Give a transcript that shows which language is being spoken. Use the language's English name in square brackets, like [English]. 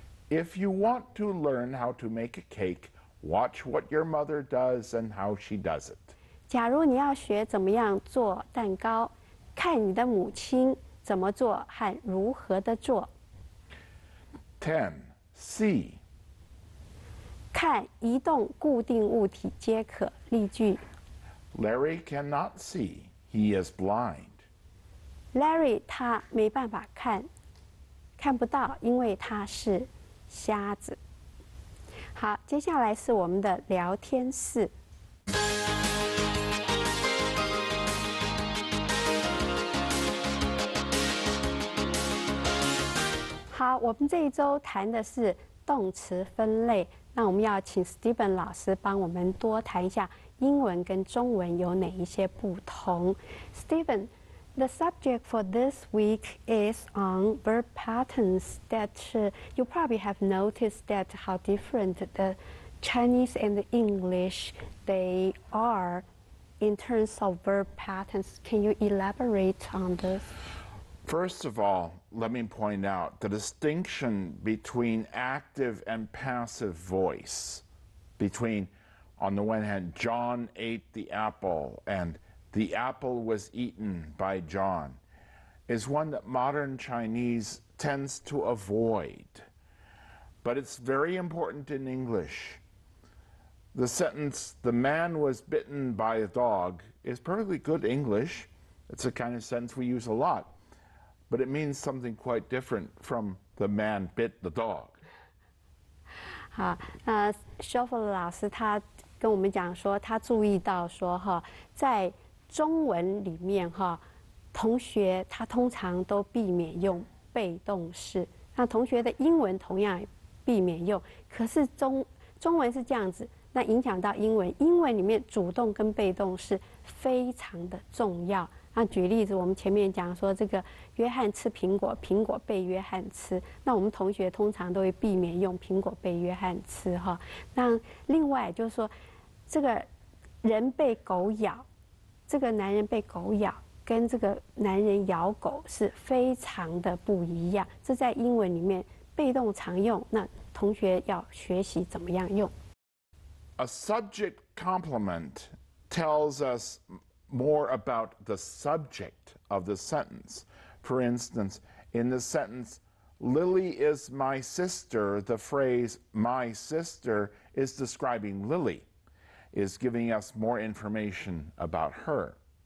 [English] If you want to learn how to make a cake watch what your mother does and how she does it [Chinese] 假如你要学怎么样做蛋糕看你的母亲怎么做和如何的做 [English] Ten, see [Chinese] 看移动固定物体皆可例句 [English] Larry cannot see, he is blind. [Chinese] Larry 他没办法看，看不到，因为他是瞎子。好，接下来是我们的聊天室。好，我们这一周谈的是动词分类。那我们要请 Steven 老师帮我们多谈一下英文跟中文有哪一些不同。 [English] Steven, the subject for this week is on verb patterns that you probably have noticed that how different the Chinese and the English they are in terms of verb patterns. Can you elaborate on this? First of all,Let me point out the distinction between active and passive voice. Between, on the one hand, John ate the apple and the apple was eaten by John, is one that modern Chinese tends to avoid. but it's very important in English. The sentence, the man was bitten by a dog, is perfectly good English. It's the kind of sentence we use a lot, but it means something quite different from the man bit the dog. [Chinese] 好，那 Shuffle 老师他跟我们讲说，他注意到说，在中文里面，同学他通常都避免用被动式。那同学的英文同样避免用，可是中文是这样子。那影响到英文，英文里面主动跟被动式非常的重要。那举例子，我们前面讲说，这个约翰吃苹果，苹果被约翰吃。那我们同学通常都会避免用苹果被约翰吃。那另外就是说，这个人被狗咬，这个男人被狗咬，跟这个男人咬狗是非常的不一样。这在英文里面，被动常用，那同学要学习怎么样用。 [English] A subject complement tells us more about the subject of the sentence. For instance, in the sentence, Lily is my sister, the phrase my sister is describing Lily, is giving us more information about her.